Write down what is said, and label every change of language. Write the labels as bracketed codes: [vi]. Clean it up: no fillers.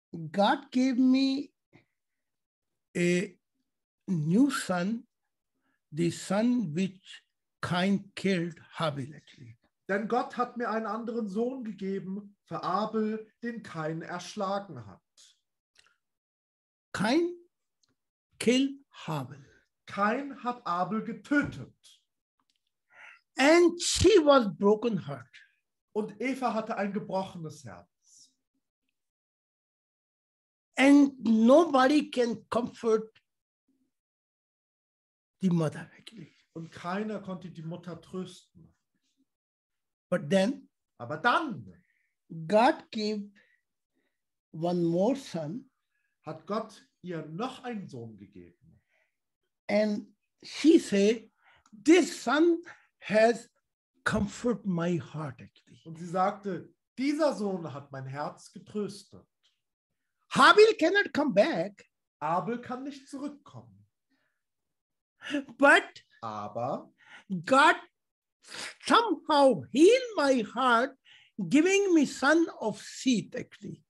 [en] God gave me a new son, the son which Cain killed Habil. [de] Denn Gott hat mir einen anderen Sohn gegeben für Abel, den Cain erschlagen hat. [en] Cain killed Habel. [de] Cain hat Abel getötet. [en] And she was broken heart. [de] Und Eva hatte ein gebrochenes Herz. [en] And nobody can comfort the mother. [de] Und keiner konnte die Mutter trösten. [en] But then, [de] aber dann, [en] God gave one more son. [de] Hat Gott ihr noch einen Sohn gegeben. [en] And she say, this son has comfort my heart actually. [de] Und sie sagte, dieser Sohn hat mein Herz getröstet. [en] Habil cannot come back. [de] Abel kann nicht zurückkommen. [en] But [de] aber [en] God somehow healed my heart, giving me son of seed actually.